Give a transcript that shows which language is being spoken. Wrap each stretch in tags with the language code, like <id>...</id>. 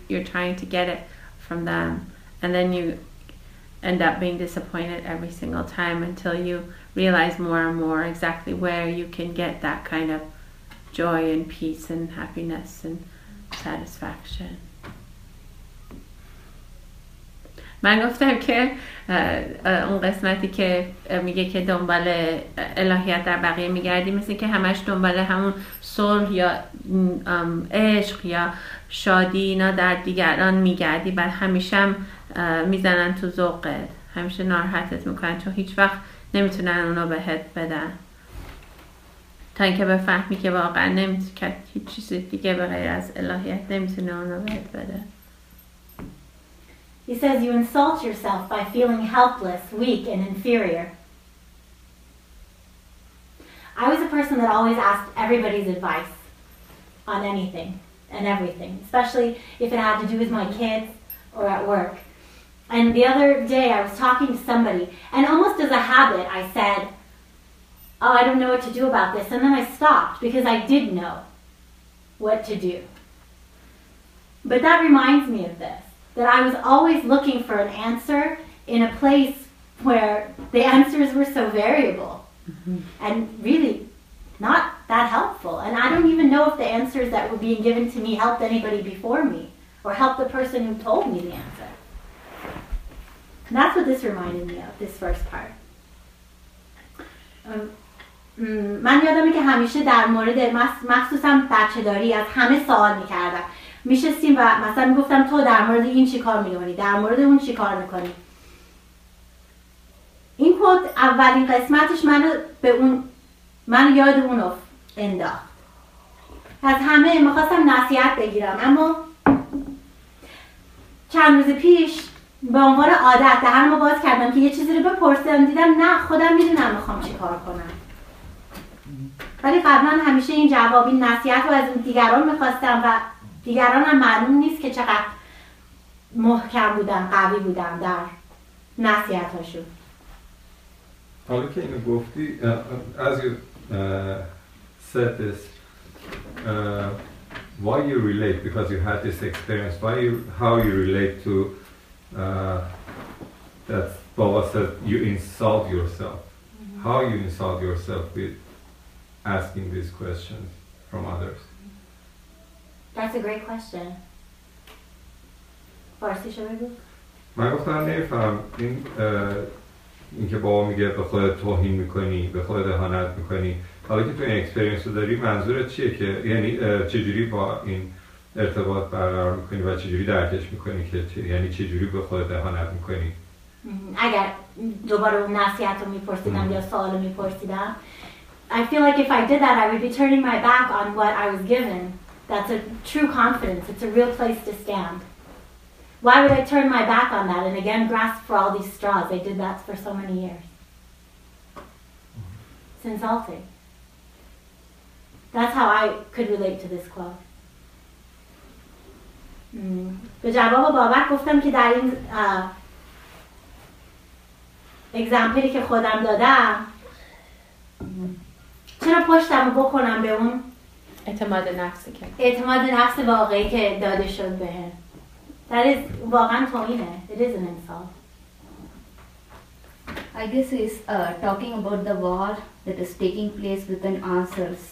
<en>You're trying to get it from them, and then you end up being disappointed every single time until you realize more and more exactly where you can get that kind of joy and peace and happiness and satisfaction.</en> <fa>من گفتم که اون قسمتی که میگه که دنبال الهیت در بقیه میگردی، مثل که همش دنبال همون صلح یا عشق یا شادی اینا در دیگران میگردی، بعد همیشه هم میزنن تو ذوقت، همیشه ناراحتت میکنن چون هیچ وقت نمیتونن اونو بهت بدن تا اینکه بفهمی که واقعا نمیتونی، که هیچ چیز دیگه بغیر از الهیت نمیتونه اونو بهت بده.</fa> <en>He says you insult yourself by feeling helpless, weak, and inferior. I was a person that always asked everybody's advice on anything and everything, especially if it had to do with my kids or at work. And the other day I was talking to somebody, and almost as a habit I said, oh, I don't know what to do about this, and then I stopped because I did know what to do. But that reminds me of this. That I was always looking for an answer in a place where the answers were so variable and really not that helpful. And I don't even know if the answers that were being given to me helped anybody before me or helped the person who told me the answer. And that's what this reminded me of, this first part.</en> <fa>من یادمه که همیشه در مورد مخصوصا بچه داری از همه سوال میکردم. میشستیم و مثلا میگفتم تو در مورد این چی کار میکنی؟ در مورد اون چی کار میکنی؟ این کود اولین قسمتش منو به اون من یاد اون رو انداخت. از همه میخواستم نصیحت بگیرم، اما چند روز پیش به عنوان عادت دهنم رو باز کردم که یه چیزی رو بپرسم، دیدم نه خودم میدونم میخوام چی کار کنم. ولی قبلا همیشه این جواب، این نصیحت رو از اون دیگران میخواستم و دیگران هم معلوم نیست که چقدر محکم بودن، قوی بودن در نصیحتاشون. حالا که اینو گفتی،</fa> <en>as you said this, why you relate, because you had this experience, why you, how you relate to that Baba said you insult yourself. Mm-hmm. How you insult yourself with asking these questions from others? That's a great question.</en> <fa>فارسی شما گفت؟ من گفتم نمیفهم این این که بابا میگه به خودت توهین میکنی، به خودت اهانت میکنی، حالا که تو این اکسپریانس رو داری منظورت چیه؟ که یعنی چجوری با این ارتباط برقرار میکنی و چجوری درکش میکنی که یعنی چجوری به خودت اهانت میکنی؟ اگر دوباره اون نصیحت رو میپرسیدم یا سوال رو میپرسیدم،</fa> <en>I feel like if I did that I would be turning my back on what I was given. That's a true confidence. It's a real place to stand. Why would I turn my back on that and again grasp for all these straws? I did that for so many years. It's insulting. That's how I could relate to this quote.</en> <fa>به جواب بابک گفتم که در این اگزمپلی که خودم دادم چرا پشتم بکنم به اون اعتماد نفسی که اعتماد نفس واقعی که داده شد به هم در از واقعا توهینه.</fa> <en>It is an insult. I guess he's talking about the war that is taking place within ourselves.</en>